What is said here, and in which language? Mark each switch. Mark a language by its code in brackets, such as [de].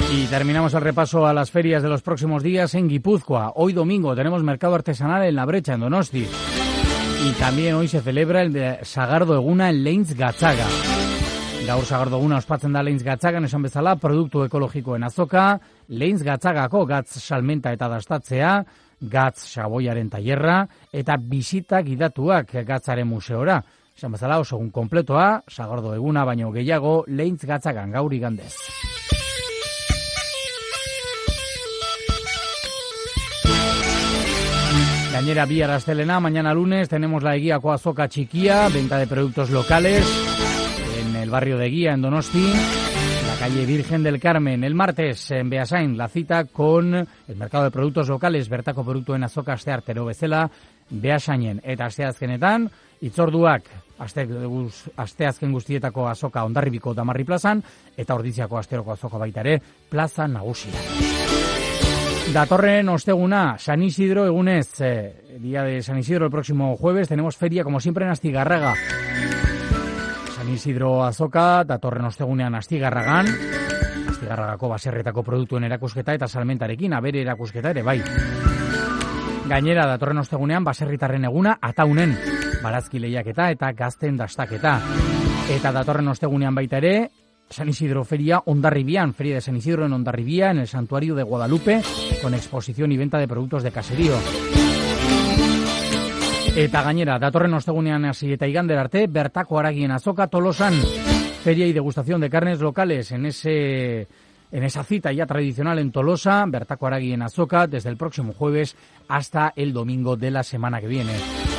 [es] Terminamos el repaso a las ferias de los próximos días en Guipúzcoa. Hoy domingo tenemos mercado artesanal en La Brecha, en Donosti. Y también hoy se celebra el de Sagardo Eguna en Leintz Gatzaga. [eu] Gaur Sagardo Eguna ospatzen da Leintz Gatzaga, esan bezala, produktu ekologiko en azoka. Leintz Gatzagako gatz salmenta eta dastatzea, gatz xaboiaren tailerra, eta bisita gidatuak gatzaren museora. Esan bezala, oso egun kompletoa, Sagardo Eguna baino gehiago Leintz Gatzagan gaur igandez. Gainera bihar astelena, [es] mañana lunes, tenemos la Eguiako Azoka Txikia, venta de productos locales en el barrio de Eguia, en Donosti, la calle Virgen del Carmen. El martes, en Beasain, la cita con el mercado de productos locales, [eu] bertako producto en azoka aste artero bezala, [es] Beasainen. [eu] Eta asteazkenetan, itzorduak, asteazken guztietako azoka Hondarribiko Damarri plazan, eta Ordiziako asteroko azoka baitare, plaza nagusia. Datorren osteguna, San Isidro egunez, [es] día de San Isidro el próximo jueves, tenemos feria como siempre en Astigarraga. [eu] San Isidro azoka, datorren ostegunean Astigarragan, Astigarragako baserretako produktuen erakusketa eta salmentarekin, abere erakusketa ere bai. Gainera, datorren ostegunean baserritarren eguna ataunen, barazki lehiaketa eta gazten dastaketa. Eta datorren ostegunean baita ere, San Isidro Feria Hondarribian, [es] Feria de San Isidro en Hondarribia, en el Santuario de Guadalupe, con exposición y venta de productos de caserío. [eu] Eta gainera, datorren ostegunean hasi eta igander arte, bertako haragien azoka Tolosan, [es] feria y degustación de carnes locales en ese en esa cita ya tradicional en Tolosa, [eu] bertako haragien azoka, [es] desde el próximo jueves hasta el domingo de la semana que viene.